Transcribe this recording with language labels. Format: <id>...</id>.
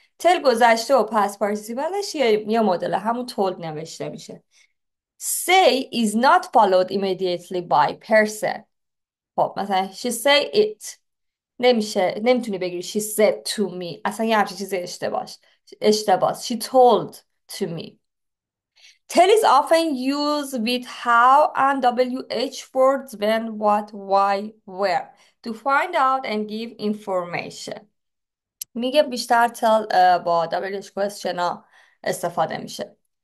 <fa>تل گذشته و پس پارتیسیپلش یه مدل همون told نوشته میشه.</fa> <en>Say is not followed immediately by person.</en> <fa>خب مثلا</fa> <en>she say it.</en> <fa>نمیشه، نمیتونی بگی</fa> <en>she said to me.</en> <fa>اصلا یه همچین چیزی اشتباه.</fa> <en>She told to me. Tell is often used with how and wh words when, what, why, where to find out and give information.</en> <fa>میگه بیشتر tell با wh question استفاده میشه.</fa>